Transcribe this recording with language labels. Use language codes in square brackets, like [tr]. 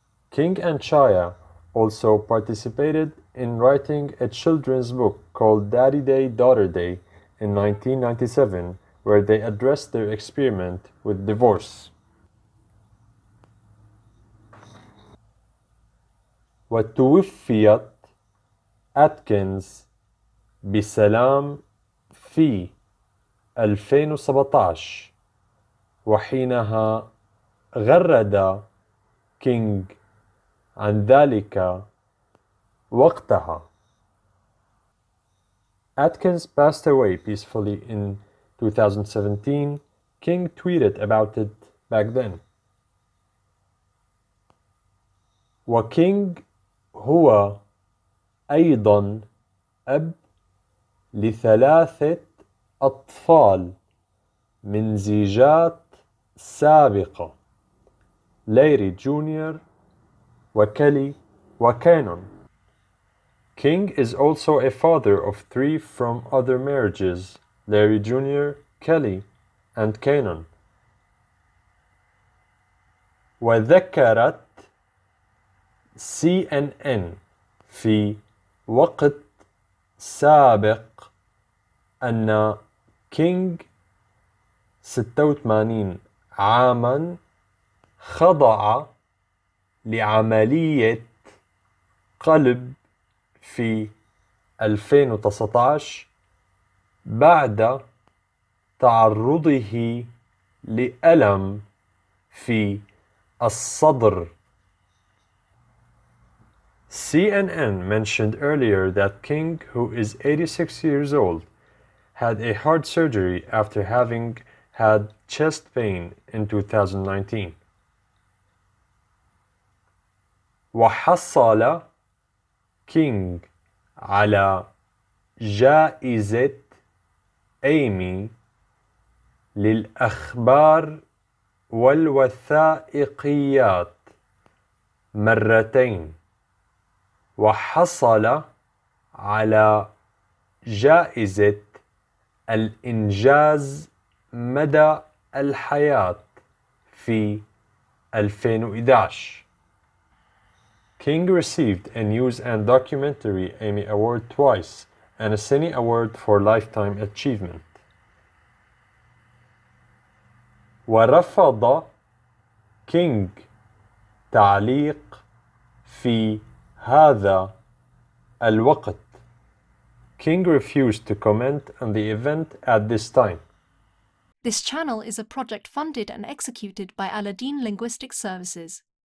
[en] King and Chaya also participated in writing a children's book called Daddy Day, Daughter Day in 1997, where they addressed their experiment with divorce. [ar] وتوفيت أتكنز بسلام في 2017 وحينها غرد كينج عن ذلك وقتها. [en] Atkins passed away peacefully in 2017. King tweeted about it back then. [ar] وكينج هو أيضا أب لثلاثة أطفال من زيجات سابقة، ليري جونيور وكيلي وكانون. [en] King is also a father of three from other marriages, Larry Jr., Kelly, and Canon. [ar] وذكرت CNN في وقت سابق أن King 86 عاما خضع لعملية قلب في 2019 بعد تعرضه لألم في الصدر. [en] CNN mentioned earlier that King, who is 86 years old, had a heart surgery after having had chest pain in 2019. [ar] وحصل كينج على جائزة إيمي للأخبار والوثائقيات مرتين، وحصل على جائزة الإنجاز مدى الحياة في 2011. [en] King received a News and Documentary Emmy Award twice and a Cine Award for Lifetime Achievement. [ar] ورفض King تعليق في هذا الوقت. [en] King refused to comment on the event at this time. This channel is a project funded and executed by Aladdin Linguistic Services.